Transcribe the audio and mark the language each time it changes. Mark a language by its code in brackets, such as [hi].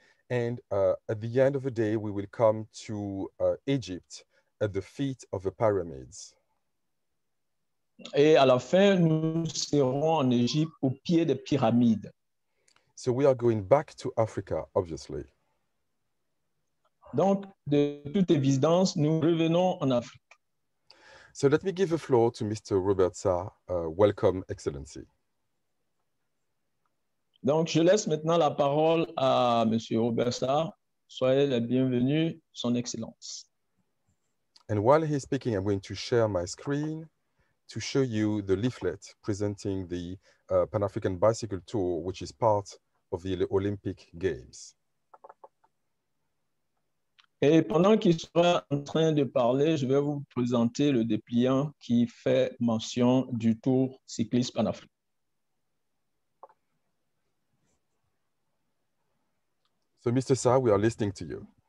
[en] And at the end of the day, we will come to Egypt at the feet of the pyramids. [fr] Et à la fin, nous serons en Égypte au pied des pyramides. [en] So we are going back to Africa, obviously. [fr] Donc, de toute évidence, nous revenons en Afrique. [en] So let me give the floor to Mr. Robert Sarr. Welcome, Excellency. [fr] Donc, je laisse maintenant la parole à Monsieur Robert Sarr. Soyez le bienvenu, Son Excellence. [en] And while he's speaking, I'm going to share my screen to show you the leaflet presenting the Pan-African Bicycle Tour, which is part of the Olympic Games. [fr] Et pendant qu'il sera en train de parler, je vais vous présenter le dépliant qui fait mention du Tour cycliste panafricain. [en] So, Mr. Sarr, we are listening to you.